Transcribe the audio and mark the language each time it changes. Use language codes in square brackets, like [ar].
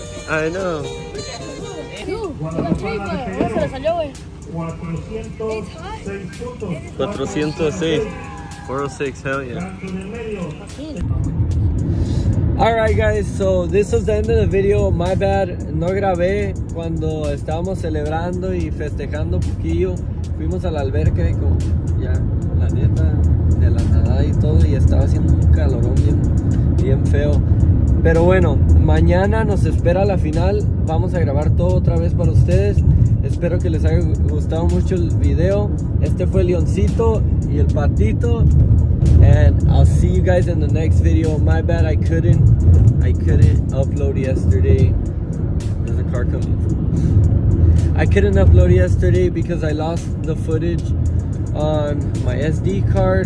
[en] I know. $406. 406, hell yeah. Alright guys, so this was the end of the video. My bad, [es] no grabé cuando estábamos celebrando y festejando un poquillo. Fuimos a la alberca y como ya, la neta, de la nadada y todo, y estaba haciendo un calorón bien, bien feo. Pero bueno, mañana nos espera la final. Vamos a grabar todo otra vez para ustedes. Espero que les haya gustado mucho el video. Este fue Lioncitoo y el patito. [en] And I'll see you guys in the next video. My bad, I couldn't upload yesterday. There's a car coming. I couldn't upload yesterday because I lost the footage on my SD card.